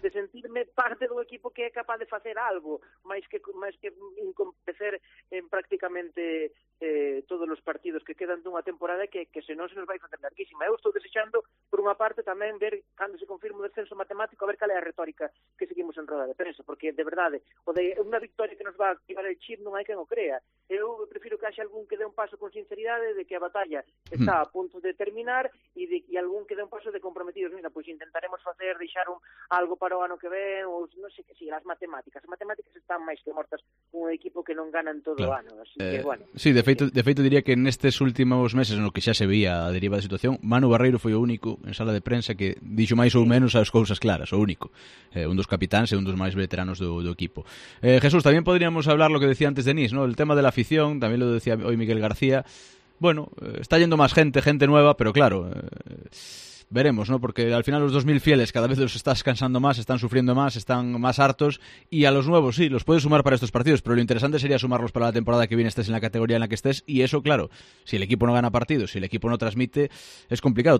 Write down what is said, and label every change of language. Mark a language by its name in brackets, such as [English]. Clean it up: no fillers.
[Galician] De sentirme parte do equipo que é capaz de facer algo, máis que empezar en prácticamente todos os partidos que quedan dunha temporada que senón se nos vai facer larguísima. Eu estou desechando, por unha parte, tamén ver cando se confirma o descenso matemático, a ver cal é a retórica que seguimos en roda de prensa, porque de verdade, o de unha victoria que [Spanish] nos va a activar el chip [Galician] non hai quen o crea. Eu prefiro que haxe algún que dé un paso con sinceridade de que a batalla está a punto de terminar e algún que dé un paso de comprometidos. Mira, pois intentaremos facer, deixar algo para o ano que ven, ou non sei que si, as matemáticas. As matemáticas están máis que mortas con un equipo que non gana en todo claro. O ano. Así que, bueno. Sí, de feito diría que nestes últimos meses, no que xa se veía a deriva da situación, Manu Barreiro foi o único en sala de prensa que dixo máis ou menos as cousas claras, o único. Un dos capitáns e un dos máis veteranos do equipo. [Spanish] Jesús, tamén podríamos hablar lo que decía antes Denis, ¿no? El tema de la afición, tamén lo decía hoy Miguel García. Bueno, está yendo máis gente nueva, pero claro, veremos, ¿no? Porque al final [Galician] os 2000 fieles cada vez os estás cansando máis, están sufriendo máis, están máis hartos, e [Spanish] a los nuevos sí, los podes sumar para estos partidos, pero lo interesante sería sumarlos para la temporada que viene, estés en la categoría en la que estés, y eso, claro, si el equipo no gana partidos, si el equipo no transmite, es complicado.